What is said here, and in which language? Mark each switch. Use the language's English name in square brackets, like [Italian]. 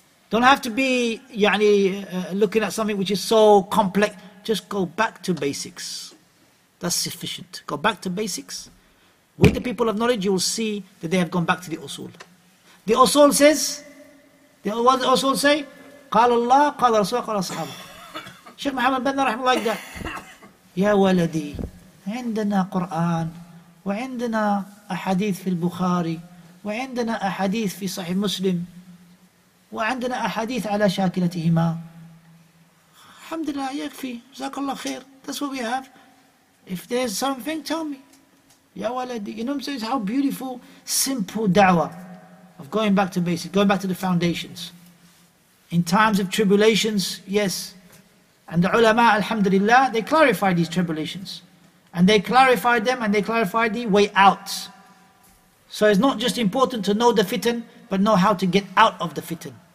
[English] Don't have to be looking at something which is so complex. Just go back to basics. That's sufficient. Go back to basics. With the people of knowledge, you will see that they have gone back to the usul. The usul says, What does Rasul say? [Arabic] قال الله قال رسول الله قال أصحابه. [English] Sheikh Muhammad Banna رحمه الله like that. [Arabic] يا ولدي عندنا قرآن وعندنا أحاديث في البخاري وعندنا أحاديث في صحيح مسلم وعندنا أحاديث على شاكلتهما. الحمد لله يكفي جزاك الله خير. [English] That's what we have. If there's something, tell me. [Arabic] يا ولدي. [English] You know what I'm saying? How beautiful, simple da'wah of going back to basics, going back to the foundations. In times of tribulations, yes. And the ulama, alhamdulillah, they clarified these tribulations. And they clarified them and they clarified the way out. So it's not just important to know the fitan, but know how to get out of the fitan.